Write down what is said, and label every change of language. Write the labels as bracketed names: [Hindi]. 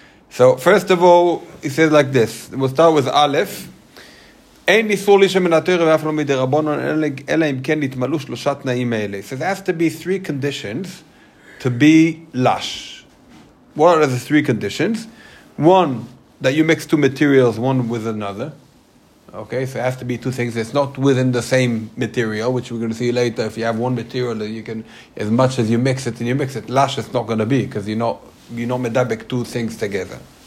[English] So first of all, he says like this. We'll start with Aleph. [Hebrew] אין איסור לישה מן התורה ואף לא מדי רבונן, אלא אם כן נתמלו שלושה תנאים האלה. [English] So there has to be three conditions to be lush. What are the three conditions? One, that you mix two materials, one with another. Okay, so it has to be two things. It's not within the same material, which we're going to see later. If you have one material, you can, as much as you mix it and you mix it, lush it's not going to be, because you're not medabek two things together.